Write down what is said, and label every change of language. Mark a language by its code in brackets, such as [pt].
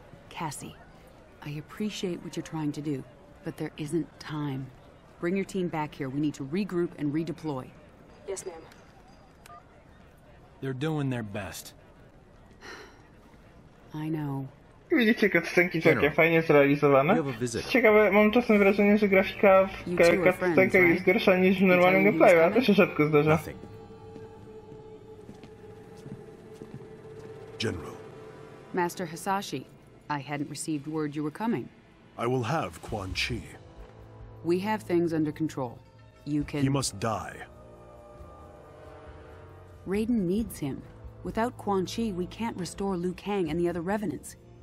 [en] Cassie, I appreciate what you're trying to do, but there isn't time. Bring your team back here. We need to regroup and redeploy. Yes, ma'am. They're doing their best. I know. [pl] Widzicie, cutscenki takie fajnie zrealizowane. Ciekawe, mam czasem wrażenie, że grafika w cutscenkach jest gorsza niż w normalnym gameplayu, a to się rzadko zdarza. [en] General. Master Hisashi, I hadn't received word you were coming. I will have Quan Chi. We have things under control. You can... He must die. Raiden needs him. Without Quan Chi, we can't restore Liu Kang and the other Revenants.